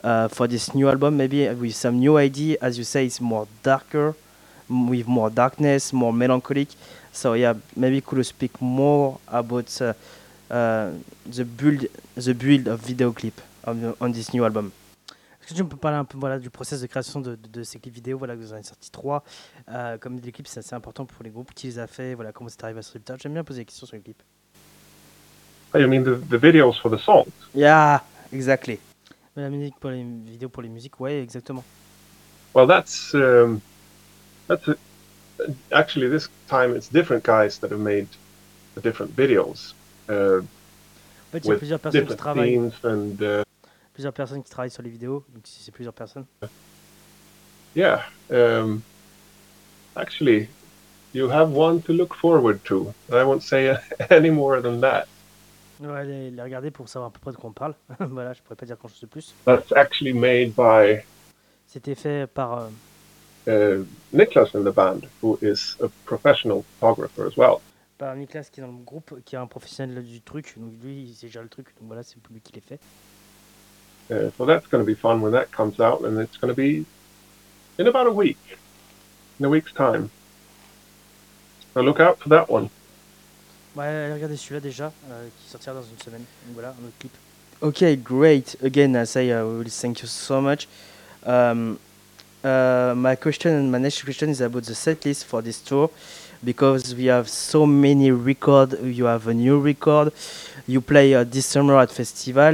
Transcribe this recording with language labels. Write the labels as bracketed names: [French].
[English] For this new album, maybe with some new idea, as you say, it's more darker, with more darkness, more melancholic. So yeah, maybe could you speak more about the build of video clip on this new album. [French] Est-ce que tu peux parler un peu voilà du process de création de ces clips vidéo, voilà que vous en avez sorti 3 comme des clips, c'est assez important pour les groupes qui les a fait, voilà comment c'est arrivé à ce résultat. J'aime bien poser des questions sur les clips. [English] Oh, you mean the videos for the songs? Yeah, exactly. [French] La musique pour les vidéos pour les musiques, ouais, exactement. [English] Well, actually this time it's different guys that have made the different videos. [French] En fait, il y a plusieurs personnes qui travaillent. [English] And, [French] plusieurs personnes qui travaillent sur les vidéos, donc c'est plusieurs personnes. [English] Yeah, actually, you have one to look forward to. I won't say any more than that. [French] Ouais, les regarder pour savoir à peu près de quoi on parle. Voilà, je pourrais pas dire grand chose de plus. [English] That's actually made by. [French] C'était fait par. [English] Niklas in the band, who is a professional photographer as well. [French] Par Niklas qui est dans le groupe, qui est un professionnel du truc. Donc lui, il sait gérer le truc. Donc voilà, c'est lui qui l'a fait. [English] So that's going to be fun when that comes out, and it's going to be in about a week, in a week's time. So look out for that one. [French] Ouais, allez regarder celui-là déjà, qui sortira dans une semaine. Donc voilà, un autre clip. [English] Ok, great. Again, I say, really thank you so much. My question and my next question is about the setlist for this tour, because we have so many records. You have a new record. You play this summer at festival.